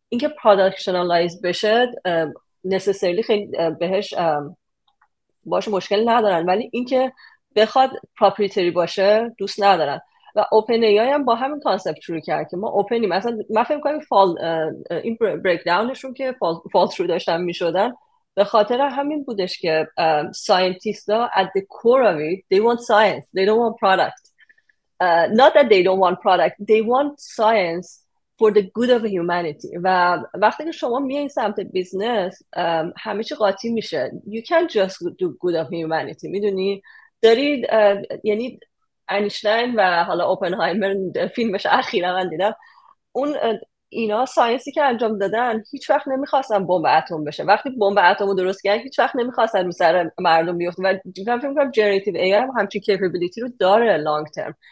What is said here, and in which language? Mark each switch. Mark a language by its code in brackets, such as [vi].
[fa] اینکه پروداکشنالایز بشه نسسریلی خیلی بهش باش مشکل ندارن، ولی اینکه بخواد پروپریتری باشه دوست ندارن. و اوپن ای آی هم با همین کانسپت شروع کرد که ما اوپنی، مثلا من فکر می‌کنم این بریک داونشون که فال ثرو داشتن می‌شدن به خاطر همین بودش که ساینتیست ها at the core of it they want science, they don't want product. [en] Not that they don't want product, they want science for the good of humanity. [fa] و وقتی که شما میای سمت بیزنس همه چی قاطی میشه. [en] You can't just do good of humanity. [fa] میدونی دارید یعنی اینشتین و حالا اوپنهایمر فیلمش اخیرا من دیدم، اون اینا ساینسی که انجام دادن هیچ وقت نمیخواستن بمب اتم بشه. وقتی بمب اتم رو درست کردن هیچ وقت نمیخواستن رو سر مردم بیفته. و من فکر میکنم جنراتیو ای آی هم همچین کیپبیلیتی رو داره لانگ ترم.